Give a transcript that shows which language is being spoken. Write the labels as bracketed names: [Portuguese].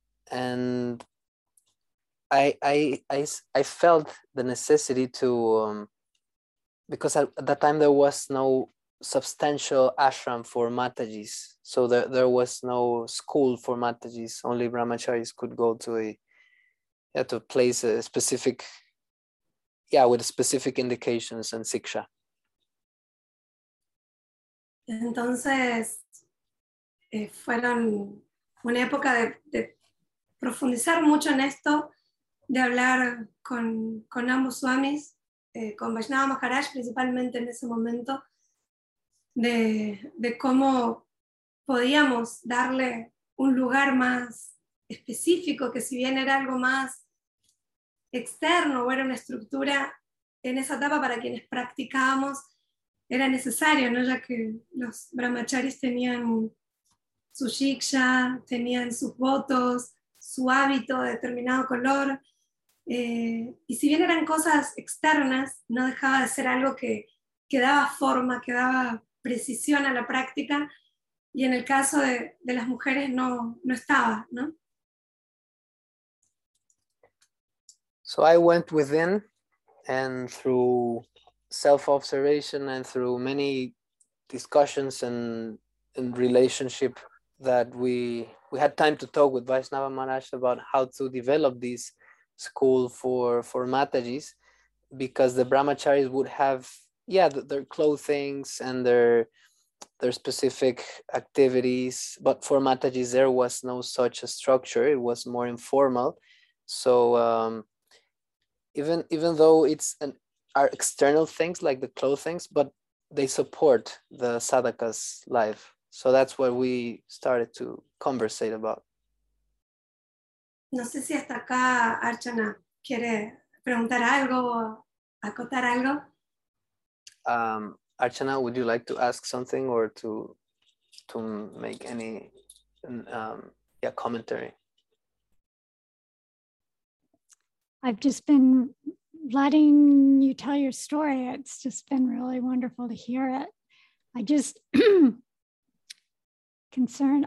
[English] And I felt the necessity to, because at that time there was no substantial ashram for Matajis. So there was no school for Matajis. Only Brahmacharis could go to to place a specific, with specific indications and siksha. [Spanish] Entonces, fueron una época de profundizar mucho en esto, de hablar con ambos swamis, con Vaishnava Maharaj principalmente en ese momento, de cómo podíamos darle un lugar más específico, que si bien era algo más externo o era una estructura, en esa etapa para quienes practicábamos era necesario, ¿no? Ya que los brahmacharis tenían su shiksha, tenían sus votos, su hábito de determinado color, y si bien eran cosas externas, no dejaba de ser algo que daba forma, que daba precisión a la práctica, y en el caso de las mujeres no estaba, ¿no? [English] So I went within, and through self-observation and through many discussions and relationship that we had time to talk with Vaishnava Maharaj about how to develop this school for Matajis, because the Brahmacharis would have their clothings and their specific activities, but for Matajis there was no such a structure. It was more informal. So even though it's are external things like the clothings, but they support the sadhaka's life. So that's what we started to conversate about. [Spanish] No sé si hasta acá Archana quiere preguntar algo o acotar algo. [English] Archana, would you like to ask something or to make any commentary? I've just been letting you tell your story. It's just been really wonderful to hear it. I just concerned.